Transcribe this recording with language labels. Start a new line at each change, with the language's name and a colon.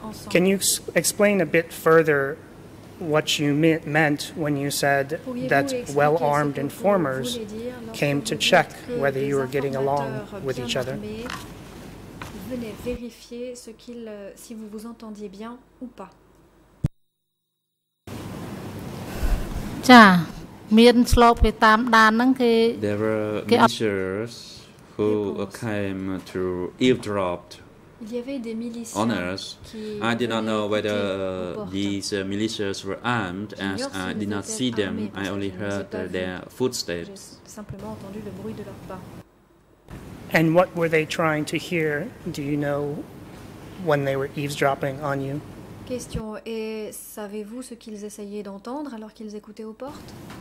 English: Can you explain a bit further what you meant when you said that well-armed informers came to check whether you were getting along with each other?
French: Venez vérifier ce qu'il si vous vous entendiez bien ou pas.
Khmer: Cha, mien slop pe tam dan nang ke
English: there were militias who came to eavesdrop.
French: Il y avait des miliciens qui
English: I did not know whether these militias were armed as I did not see them. I only heard their footsteps.
French: J'ai simplement entendu le bruit de leurs pas.
English: And what were they trying to hear, do you know, when they were eavesdropping on you?
French: Question. Et savez-vous ce qu'ils essayaient d'entendre alors qu'ils écoutaient aux portes?